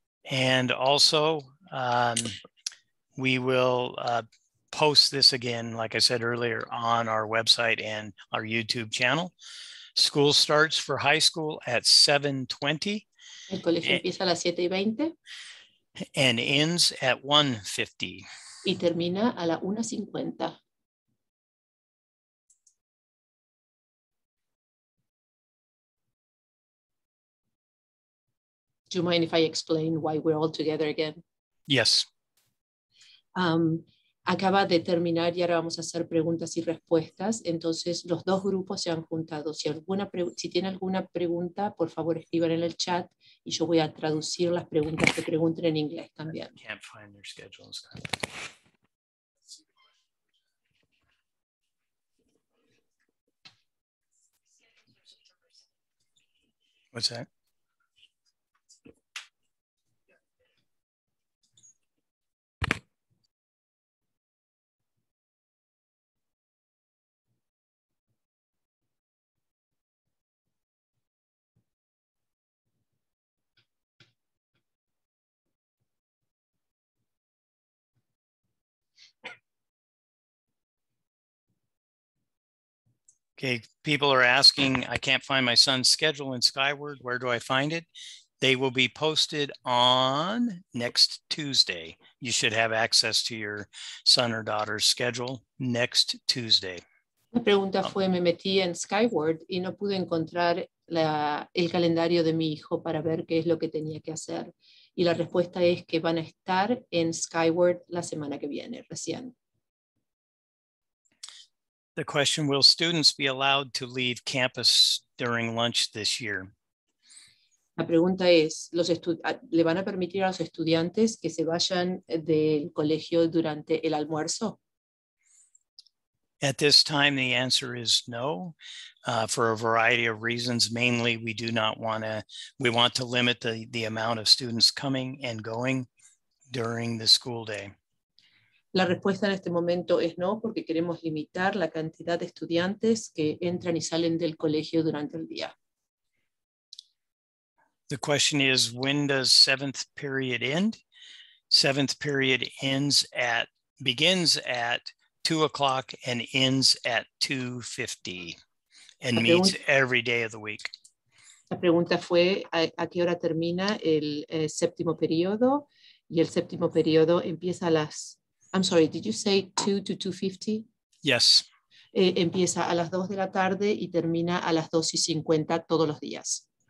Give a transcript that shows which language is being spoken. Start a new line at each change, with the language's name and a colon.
English: And also, we will post this again, like I said earlier, on our website and our YouTube channel. School starts for high school at 7:20.
Spanish: El colegio empieza a las 7:20.
English: And ends at 1:50.
Spanish: Y termina a la 1:50.
English: Do you mind if I explain why we're all together again? Yes.
Spanish: acaba de terminar y ahora vamos a hacer preguntas y respuestas. Entonces, los dos grupos se han juntado. Si tiene alguna pregunta, por favor, escriban en el chat y yo voy a traducir las preguntas que pregunten en inglés también.
English: I can't find your schedules. What's that? Okay, people are asking, I can't find my son's schedule in Skyward. Where do I find it? They will be posted on next Tuesday. You should have access to your son or daughter's schedule next Tuesday.
Spanish: La pregunta fue, me metí en Skyward y no pude encontrar el calendario de mi hijo para ver qué es lo que tenía que hacer. Y la respuesta es que van a estar en Skyward la semana que viene, recién.
English: The question, will students be allowed to leave campus during lunch this year?
Spanish: La pregunta es, ¿le van a permitir a los estudiantes que se vayan del colegio durante el almuerzo?
English: At this time, the answer is no, for a variety of reasons. Mainly, we want to limit the amount of students coming and going during the school day.
Spanish: La respuesta en este momento es no, porque queremos limitar la cantidad de estudiantes que entran y salen del colegio durante el día.
English: The question is, when does seventh period end? Seventh period begins at 2:00 and ends at 2:50 and meets every day of the week.
Spanish: La pregunta fue, ¿a qué hora termina el séptimo periodo? Y el séptimo periodo empieza a las...
English: I'm sorry, did you say 2 to 2:50? Yes.
Spanish: Empieza a las 2 de la tarde y termina a las 2:50 todos los días.